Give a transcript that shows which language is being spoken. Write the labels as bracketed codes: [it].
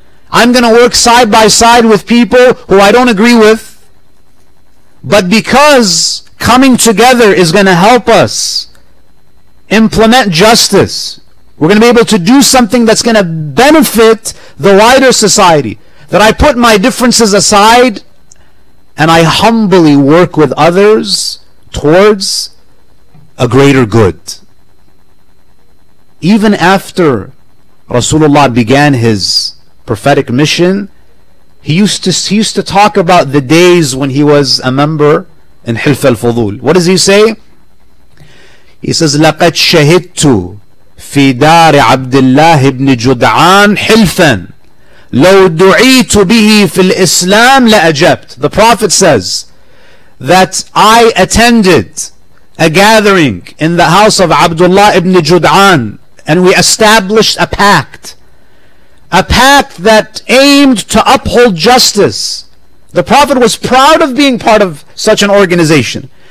[en] I'm going to work side by side with people who I don't agree with, but because coming together is going to help us implement justice, we're going to be able to do something that's going to benefit the wider society, that I put my differences aside and I humbly work with others towards a greater good. Even after Rasulullah began his prophetic mission, he used to talk about the days when he was a member in Hilf al-Fudul. What does he say? He says, [ar] لَقَدْ شَهِدْتُ فِي دَارِ عَبْدِ اللَّهِ بْنِ جُدْعَانِ حِلْفًا لَوْ دُعِيتُ بِهِ فِي الْإِسْلَامِ لَأَجَبْتُ. [en] The Prophet says that I attended a gathering in the house of Abdullah ibn Jud'an, and we established a pact that aimed to uphold justice. The Prophet was proud of being part of such an organization.